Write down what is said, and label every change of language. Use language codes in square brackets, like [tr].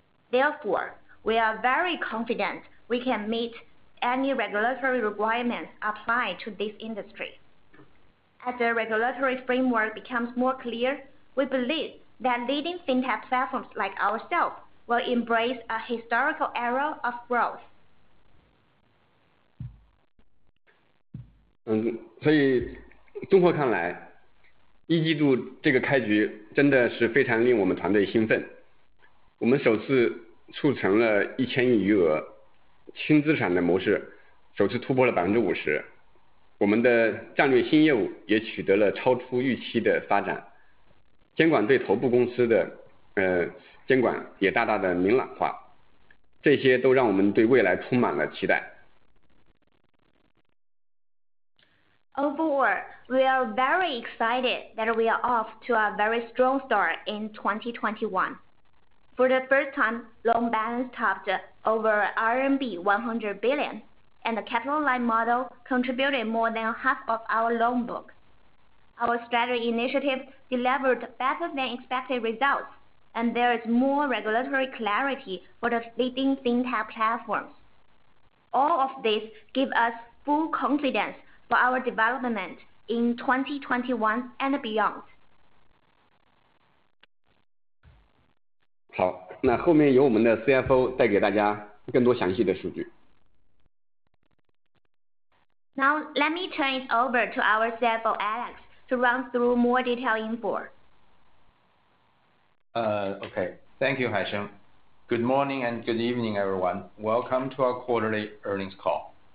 [en] Therefore, we are very confident we can meet any regulatory requirements applied to this industry. As the regulatory framework becomes more clear, we believe that leading fintech platforms like ourselves will embrace a historical era of growth. [zh] 所以综合看来，一季度这个开局真的是非常令我们团队兴奋。我们首次促成了1000亿余额轻资产的模式，首次突破了50%。我们的战略新业务也取得了超出预期的发展。监管对头部公司的监管也大大的明朗化，这些都让我们对未来充满了期待。 [en] Overall, we are very excited that we are off to a very strong start in 2021. For the first time, loan balance topped over RMB 100 billion, and the capital light model contributed more than half of our loan book. Our strategy initiative delivered better than expected results, and there is more regulatory clarity for the leading fintech platforms. All of this give us full confidence for our development in 2021 and beyond. [zh] 好，那后面由我们的 CFO 带给大家更多详细的数据。 [en] Now, let me turn it over to our CFO, Alex, to run through more detailed info. Okay. Thank you, Haisheng. Good morning and good evening, everyone. Welcome to our quarterly earnings call.